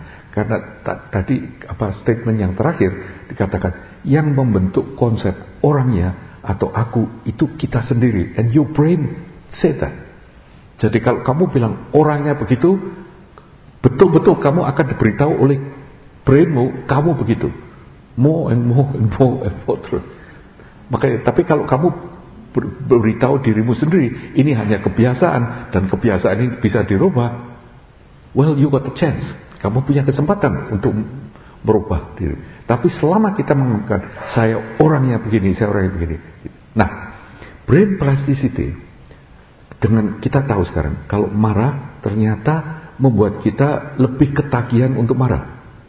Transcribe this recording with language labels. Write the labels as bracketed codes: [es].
[id] Karena tadi apa statement yang terakhir dikatakan, yang membentuk konsep orangnya atau aku itu kita sendiri. [en] And your brain say that. [id] Jadi kalau kamu bilang orangnya begitu, betul-betul kamu akan diberitahu oleh brainmu kamu begitu. [en] More and more and more and more [id] terus. Makanya, tapi kalau kamu beritahu dirimu sendiri ini hanya kebiasaan dan kebiasaan ini bisa dirubah, [en] well you got a chance, [id] kamu punya kesempatan untuk merubah diri. Tapi selama kita mengatakan saya orangnya begini, saya orangnya begini, nah brain plasticity, dengan kita tahu sekarang kalau marah ternyata membuat kita lebih ketagihan untuk marah.